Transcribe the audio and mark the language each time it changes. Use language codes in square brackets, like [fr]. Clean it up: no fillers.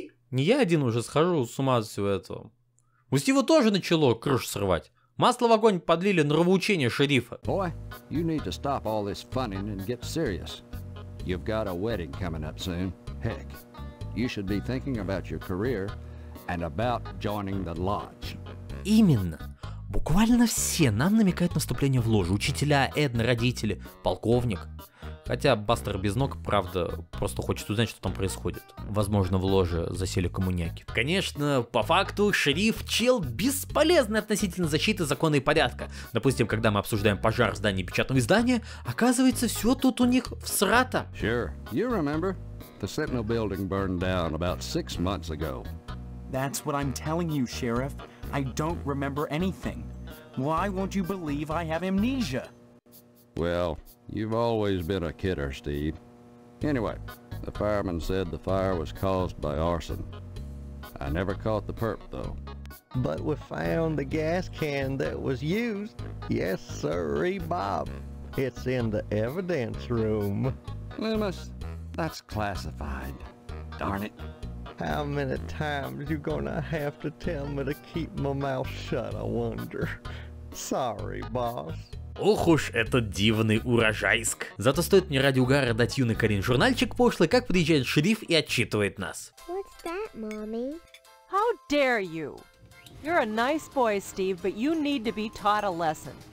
[ru] Не я один уже схожу с ума от всего этого. У Стива тоже начало крышу срывать. Масло в огонь подлили нравоучения шерифа. [en] Boy, you need to stop all this funning and get serious. You've got a wedding coming up soon. Heck, you should be thinking about your career and about joining the lodge. [ru] Именно. Буквально все нам намекают на вступление в ложу. Учителя, Эдна, родители, полковник. Хотя Бастер без ног, правда, просто хочет узнать, что там происходит. Возможно, в ложе засели коммуняки. Конечно, по факту, шериф чел бесполезный относительно защиты закона и порядка. Допустим, когда мы обсуждаем пожар в здании печатного издания, оказывается, все тут у них всрато. [en] Sure. You remember? The Sentinel building burned down about 6 months ago. That's what I'm telling you, Sheriff. I don't remember anything. Why won't you believe I have amnesia? Well, you've always been a kidder, Steve. Anyway, the fireman said the fire was caused by arson. I never caught the perp, though. But we found the gas can that was used. Yes, sirree, Bob. It's in the evidence room. Loomis, that's classified. Darn it. How many times you gonna have to tell me to keep my mouth shut, I wonder? Sorry, boss. [ru] Ох уж этот дивный урожайск. Зато стоит мне ради угара дать юный Карин журнальчик пошлый, как приезжает шериф и отчитывает нас. [en] What's that, mommy? How dare you? You're a nice boy, Steve, but you need to be taught a lesson.